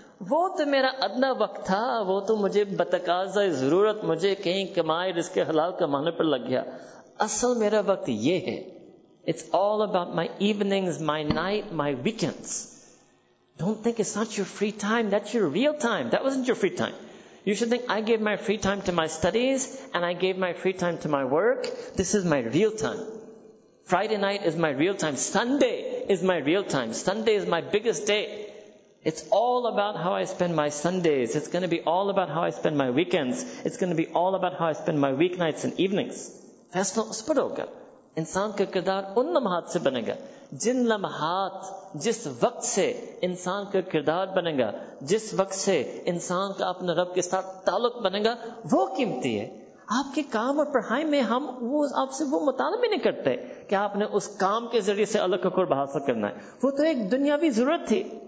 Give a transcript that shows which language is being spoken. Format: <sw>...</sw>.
<ur>وہ تو میرا ادنا وقت تھا, وہ تو مجھے بتقاضا ضرورت مجھے کہیں کمائے رزق حلال کمانے پر لگ گیا, اصل میرا وقت یہ ہے.</ur> <en>It's all about my evenings, my night, my weekends. Don't think it's not your free time, that's your real time, that wasn't your free time. You should think, I gave my free time to my studies and I gave my free time to my work. This is my real time. Friday night is my real time. Sunday is my real time. Sunday is my biggest day. It's all about how I spend my Sundays. It's going to be all about how I spend my weekends. It's going to be all about how I spend my weeknights and evenings.</en> <ur>Faisla us par hoga. Insaan ka kirdaar un lamhat se banega. Jin lamhat, جس وقت سے انسان کا کردار بنے گا, جس وقت سے انسان کا اپنا رب کے ساتھ تعلق بنے گا, وہ قیمتی ہے. آپ کے کام اور پڑھائی میں ہم وہ آپ سے وہ مطالبہ نہیں کرتے کہ آپ نے اس کام کے ذریعے سے اللہ کا قرب حاصل کرنا ہے, وہ تو ایک دنیاوی ضرورت تھی.</ur>